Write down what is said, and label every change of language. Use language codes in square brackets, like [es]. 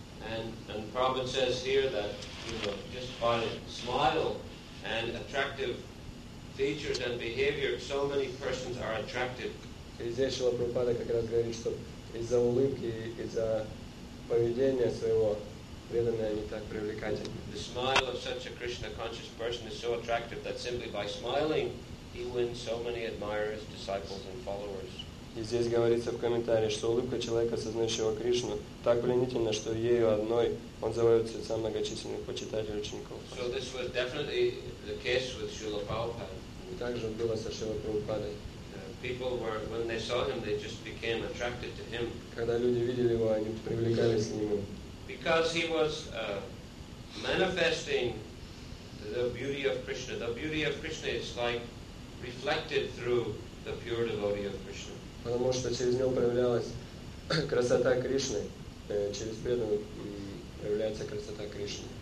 [en] And Prabhupada says here that, you know, just by smile and attractive features and behavior, so many persons are attracted. [ru] И здесь Шрила Прабхупада как раз говорит, что из-за улыбки, из-за поведения своего, преданные, они так привлекательны. [en] The smile of such a Krishna conscious person is so attractive that simply by smiling he wins so many admirers, disciples and followers. [ru] И здесь говорится в комментарии, что улыбка человека, сознающего Кришну, так пленительна, что ею одной он завоевывает сердца многочисленных почитателей учеников. [en] So this was definitely the case with Srila Prabhupada. [ru] также было со Шрилой Прабхупадой. [en] People were, when they saw him, they just became attracted to him. [ru] Когда люди видели его, они привлекались к нему. [en] Because he was manifesting the beauty of Krishna. The beauty of Krishna is like reflected through the pure devotee of Krishna. [ru] Потому что через него проявлялась красота Кришны. Через преданного проявляется красота Кришны.